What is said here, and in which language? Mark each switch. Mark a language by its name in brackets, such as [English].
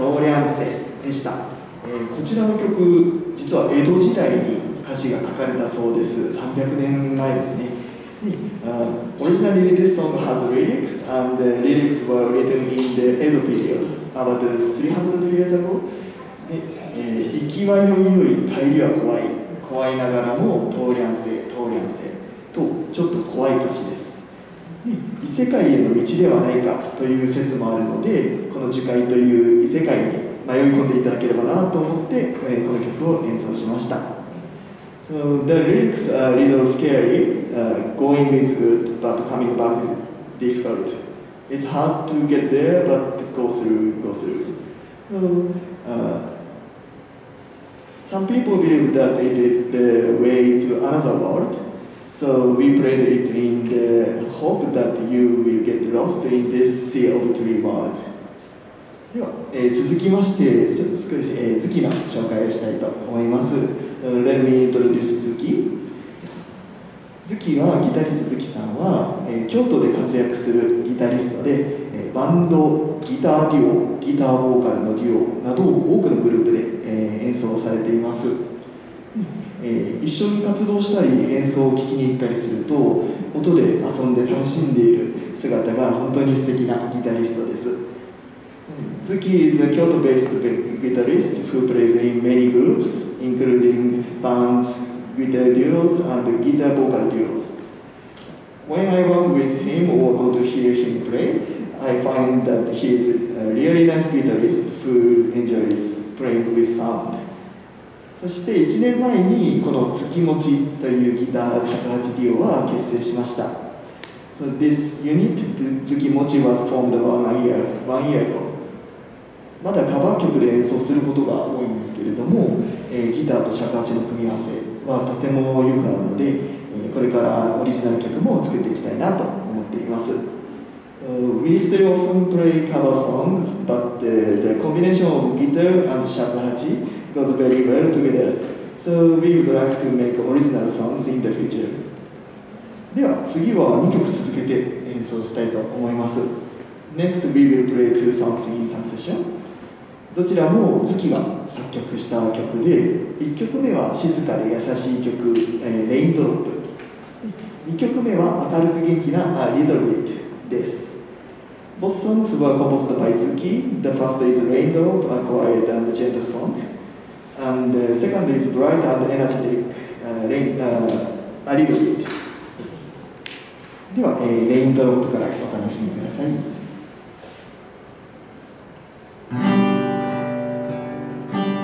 [Japanese] ちらの曲、実は江戸時代に歌詞が書かれたそうです。 300年前ですね。 [English] Originally, this song has lyrics, and the lyrics were written in the Edo period, about 300 years ago. [Japanese] 行きは良いより帰りは怖い、怖いながらも通りゃんせ、通りゃんせ、とちょっと怖い歌詞です。異世界への道ではないかという説もあるので、この樹海という異世界に迷い込んでいただければなと思って、この曲を演奏しました。 [English] The lyrics are a little scary. Going is good, but coming back is difficult. It's hard to get there, but go through. Some people believe that it is the way to another world. So we played it in the hope that you will get lost in this sea of three world. [Japanese] では、続きまして、ちょっと少し月の紹介をしたいと思います。 [English] Let me introduce Zuki. [Japanese] Zuki はギタリスト Zuki さんは、京都で活躍するギタリストで、バンド、ギターデュオ、ギターボーカルのデュオなど多くのグループで、演奏されています、一緒に活動したり演奏を聴きに行ったりすると音で遊んで楽しんでいる姿が本当に素敵なギタリストです。 [English] Zuki is a Kyoto-based guitarist who plays in many groups, including bands, guitar duos, and guitar vocal duos. When I work with him or go to hear him play, I find that he is a really nice guitarist who enjoys playing with sound. [Japanese] そして1年前にこの月持ちというギター尺八デュオは結成しました。 [English] So this unit, Zuki Mochi, was formed one year ago. [Japanese] まだカバー曲で演奏することが多いんですけれども、ギターと尺八の組み合わせはとてもよく合うので、これからオリジナル曲も作っていきたいなと思っています。 [English] We still often play cover songs, but the combination of guitar and 尺八 goes very well together. So we would like to make original songs in the future. [Japanese] では次は2曲続けて演奏したいと思います。 [English] Next, we will play two songs in succession. [Japanese] どちらも月が作曲した曲で、1曲目は静かで優しい曲、レインドロップ。2曲目は明るく元気な A Little Bit です。 [English] Both songs were composed by Zuki. The first is Rain Drop, a quiet and gentle song. And the second is Bright and Energetic, A Little Bit. [Japanese] では、レインドロップからお楽しみください。